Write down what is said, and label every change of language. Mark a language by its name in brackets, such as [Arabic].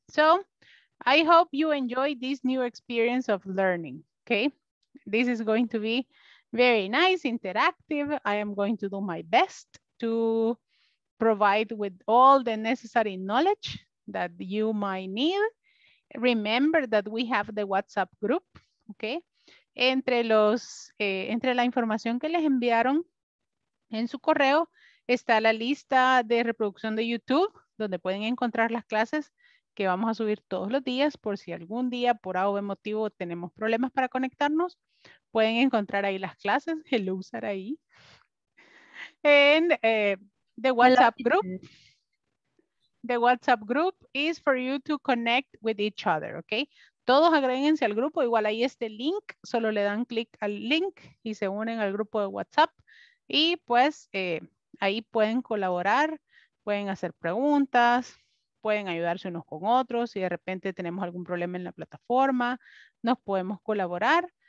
[English] So I hope you enjoy this new experience of learning, okay? This is going to be very nice, interactive. I am going to do my best to provide with all the necessary knowledge that you might need. Remember that we have the WhatsApp group, okay? [Spanish] Entre la información que les enviaron en su correo, está la lista de reproducción de YouTube, donde pueden encontrar las clases que vamos a subir todos los días, por si algún día, por A o B motivo, tenemos problemas para conectarnos. Pueden encontrar ahí las clases, el usar ahí. [English] And the WhatsApp group. The WhatsApp group is for you to connect with each other, okay? [Spanish] Todos agréguense al grupo, igual ahí está el link, solo le dan clic al link y se unen al grupo de WhatsApp. Y pues ahí pueden colaborar, pueden hacer preguntas, pueden ayudarse unos con otros. Si de repente tenemos algún problema en la plataforma, nos podemos colaborar.